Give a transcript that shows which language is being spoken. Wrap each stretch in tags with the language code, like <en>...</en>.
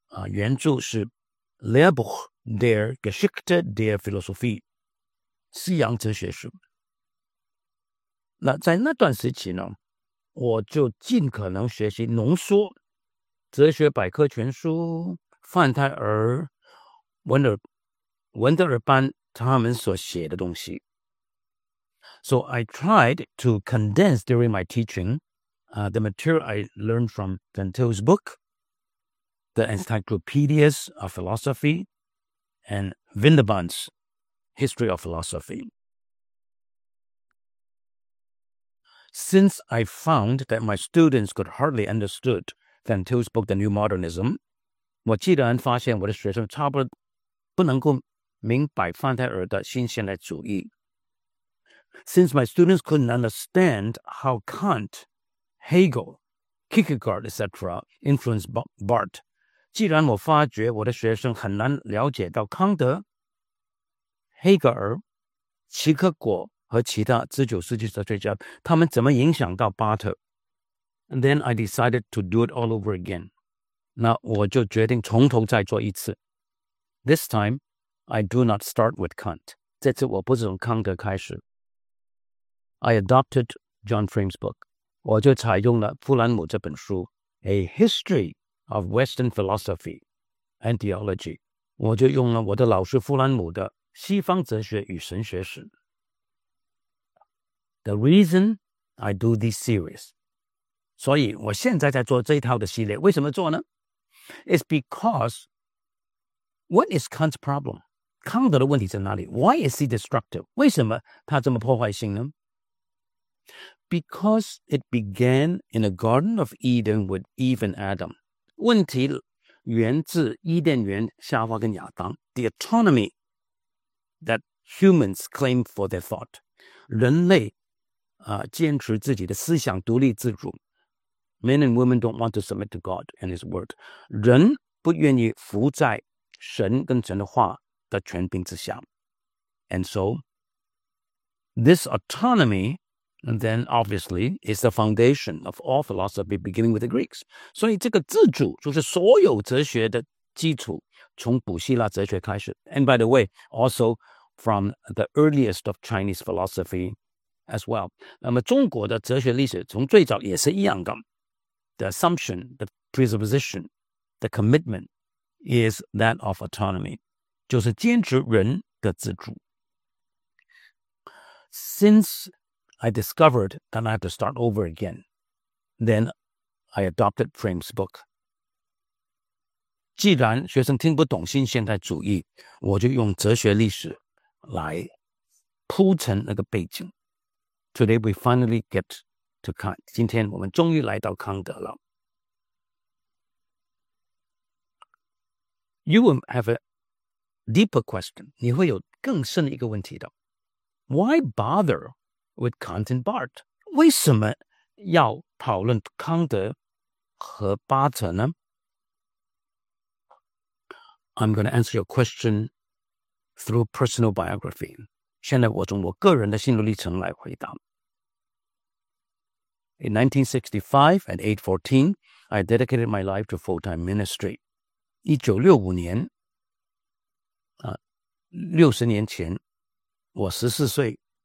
<zh>原著是 Lehrbuch der Geschichte der Philosophie, 西洋哲学书。那在那段时期呢，我就尽可能学习浓缩哲学百科全书、范泰尔、文德尔班他们所写的东西。</zh> <en>So I tried to condense during my teaching, the material I learned from Van Til's book,The Encyclopedias of Philosophy and Windelband's History of Philosophy. Since I found that my students could hardly understand Van Til's book, The New Modernism,</en> <zh>我既然发现我的学生差不多不能够明白范泰尔的新现代主义，</zh> <en>since my students couldn't understand how Kant, Hegel, Kierkegaard, etc. influenced Barth.</en> <zh>既然我发觉我的学生很难了解到康德、黑格尔、齐克果和其他19世纪哲学家他们怎么影响到巴特</zh> <en>Then I decided to do it all over again.</en> <zh>那我就决定从头再做一次。</zh> <en>This time, I do not start with Kant.</en> <zh>这次我不是从康德开始。</zh> <en>I adopted John Frame's book.</en> <zh>我就采用了弗兰姆这本书。</zh> <en>A History of Western Philosophy and Theology.</en> <zh>我就用了我的老师弗兰姆的西方哲学与神学史。</zh> <en>The reason I do this series.</en> <zh>所以我现在在做这一套的系列。为什么做呢?</zh> <en>It's because what is Kant's problem?</en> <zh>康德的问题在哪里?</zh> <en>Why is he destructive?</en> <zh>为什么他这么破坏性呢?</zh> <en>Because it began in a Garden of Eden with Eve and Adam.</en> <zh>问题源自伊甸园夏娃跟亚当</zh> <en>The autonomy that humans claim for their thought</en> <zh>人类、坚持自己的思想独立自主</zh> <en>Men and women don't want to submit to God and his word</en> <zh>人不愿意服在神跟神的话的权柄之下</zh> <en>And so this autonomy And then, obviously, is the foundation of all philosophy, beginning with the Greeks.</en> <zh>所以这个自主就是所有哲学的基础，从古希腊哲学开始。</zh> <en>And by the way, also from the earliest of Chinese philosophy as well.</en> <zh>那么中国的哲学历史从最早也是一样的。</zh> <en>The assumption, the presupposition, the commitment is that of autonomy.</en> <zh>就是坚持人的自主。</zh> <en>Since... I discovered that I had to start over again. Then I adopted Frame's book.</en> <zh>既然学生听不懂新现代主义，我就用哲学历史来铺成那个背景。</zh> <en>Today we finally get to Kant.</en> <zh>今天我们终于来到康德了。</zh> <en>You will have a deeper question.</en> <zh>你会有更深的一个问题的。</zh> <en>Why bother? With Kant and Barth.</en> <zh>为什么要讨论康德和巴特呢?</zh> <en>I'm going to answer your question through personal biography.</en> <zh>现在我从我个人的心路历程来回答。</zh> <en>In 1965, at age 14, I dedicated my life to full-time ministry.</en> <zh>1965年,60年前,我14岁。</zh>